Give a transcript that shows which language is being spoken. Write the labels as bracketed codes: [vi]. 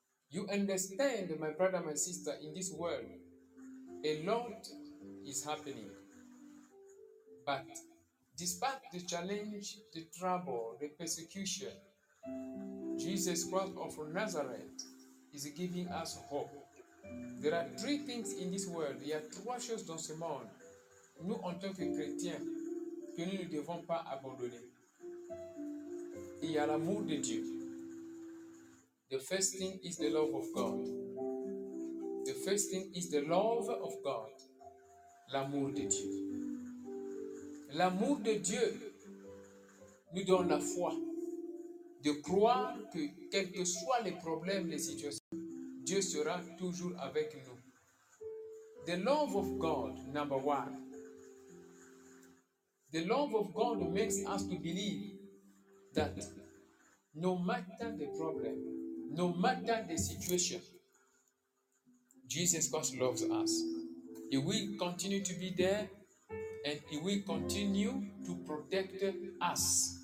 [en] You understand, my brother, my sister, in this world, a lot is happening. But despite the challenge, the trouble, the persecution, Jesus Christ of Nazareth is giving us hope. There are three things in this world. [fr] Il y a trois choses dans ce monde. Nous, en tant que chrétiens, que nous ne devons pas abandonner. Il y a l'amour de Dieu. [en] The first thing is the love of God. The first thing is the love of God. [fr] L'amour de Dieu. L'amour de Dieu nous donne la foi de croire que, quels que soient les problèmes, les situations, Dieu sera toujours avec nous. [en] The love of God, number one. The love of God makes us to believe that no matter the problem, no matter the situation, Jesus Christ loves us. He will continue to be there and He will continue to protect us.